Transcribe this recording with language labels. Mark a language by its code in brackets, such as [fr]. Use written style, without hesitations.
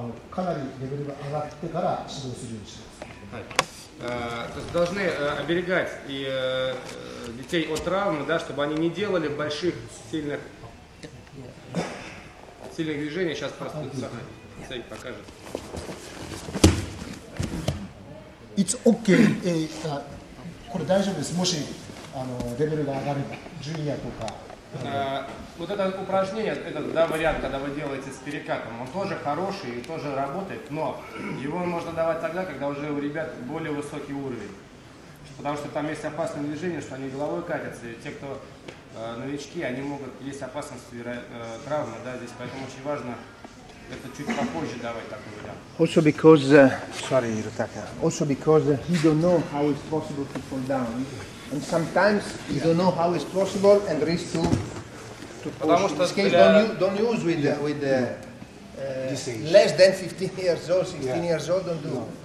[ru] То есть должны оберегать и детей от травмы, да, чтобы они не делали больших, сильных сильных движений. Сейчас просто цель покажет. [en] It's okay. [ja] これ大丈夫です。もしレベルが上がればジュニアとか。 [ru] Вот это упражнение, этот вариант, когда вы делаете с перекатом, он тоже хороший и тоже работает, но его можно давать тогда, когда уже у ребят более высокий уровень. Потому что там есть опасное движение, что они головой катятся, и те, кто новички, они могут, есть опасность травмы, да, здесь. Поэтому очень важно это чуть попозже давать такой вариант. [en] Also because, sorry, Rutaka, also because he don't know how it's possible to fall down. And sometimes you don't know how it's possible and risk to push. In this case, don't use with this age. Less than 15 years old, 16 years old, don't do.